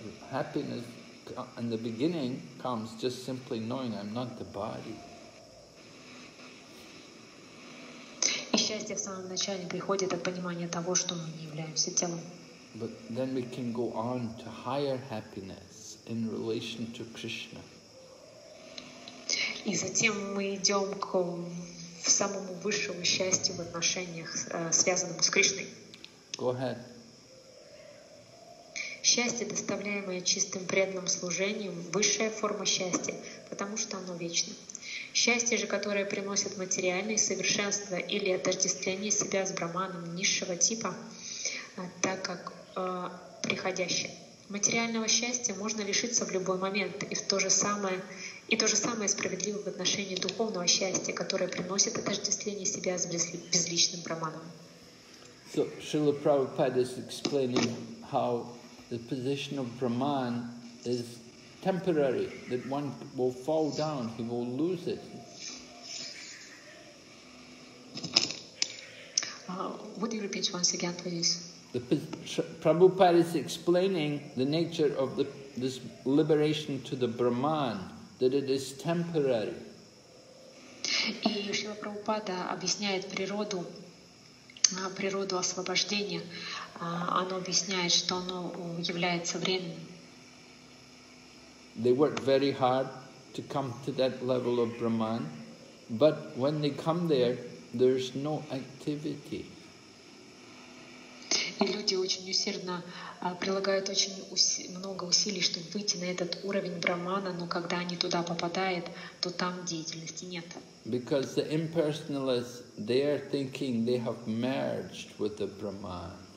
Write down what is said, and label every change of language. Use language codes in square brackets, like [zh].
[en] Happiness in the beginning comes just simply knowing I'm not the body. [ru] И счастье в самом начале приходит от понимания того, что мы не являемся телом. [en] But then we can go on to higher happiness in relation to Krishna. [ru] И затем мы идем к самому высшему счастью в отношениях, связанному с Кришной. [en] Go ahead. [ru] Счастье, доставляемое чистым преданным служением, высшая форма счастья, потому что оно вечно. Счастье же, которое приносит материальные совершенства или отождествление себя с Брахманом низшего типа, так как приходящее. Материального счастья можно лишиться в любой момент, и то же самое справедливо в отношении духовного счастья, которое приносит отождествление себя с безличным Брахманом. [en] So Srila Prabhupada is explaining how the position of Brahman is temporary, that one will fall down, he will lose it. Would you repeat once again, please? Prabhupada is explaining the nature of this liberation to the Brahman, that it is temporary. [ru] И Шрила Прабхупада объясняет природу освобождения. Оно объясняет, что оно является временным. [en] They work very hard to come to that level of Brahman, but when they come there, there's no activity. [ru] И люди очень усердно прилагают очень много усилий, чтобы выйти на этот уровень Брахмана, но когда они туда попадают, то там деятельности нет. [en] Because the impersonalists, they are thinking they have merged with the Brahman.